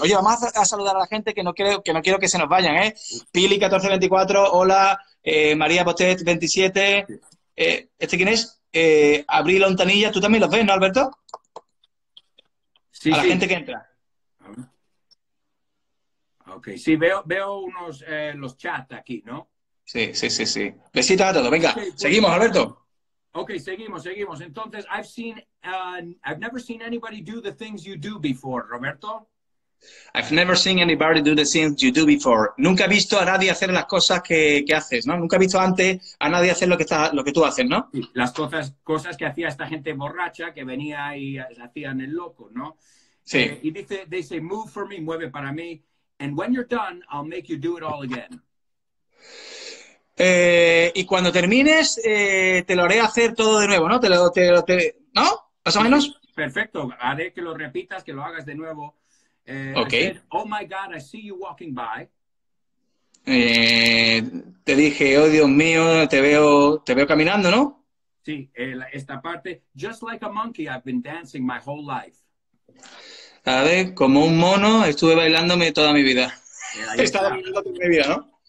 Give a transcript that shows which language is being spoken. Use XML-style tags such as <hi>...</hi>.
<es>Oye, vamos a saludar a la gente que no quiero que se nos vayan, ¿eh? Pili 1424, hola, María Botet 27. ¿Este quién es? Abril Ontanilla, tú también los ves, ¿no, Alberto? Sí. A la sí. gente que entra. Ok, sí, veo unos los chats aquí, ¿no? Sí. Besitos a todos. Venga, Okay, pues, seguimos, Alberto. okay, seguimos, seguimos.</es> <en>Entonces, I've never seen anybody do the things you do before, Roberto. I've never seen anybody do the things you do before.</en> <es>Nunca he visto a nadie hacer las cosas que haces, ¿no? Nunca he visto antes a nadie hacer lo que tú haces, ¿no? Sí, las cosas que hacía esta gente borracha que venía y hacían el loco, ¿no? Sí. Y dice,</es> <en>they say, move for me,</en> <es>mueve para mí.</es> <en>And when you're done, I'll make you do it all again.</en> <es>Y cuando termines, te lo haré hacer todo de nuevo, ¿no? ¿No? ¿Más o menos? perfecto. Haré que lo repitas, que lo hagas de nuevo.</es> <en>I Ok. said, oh my God, I see you walking by.</en> <es>Te dije, oh Dios mío, te veo caminando, ¿no? Sí, esta parte,</es> <en>just like a monkey, I've been dancing my whole life.</en> <es>A ver, como un mono, estuve bailándome toda mi vida. Ahí He estado está. bailando toda mi vida, ¿no?</es>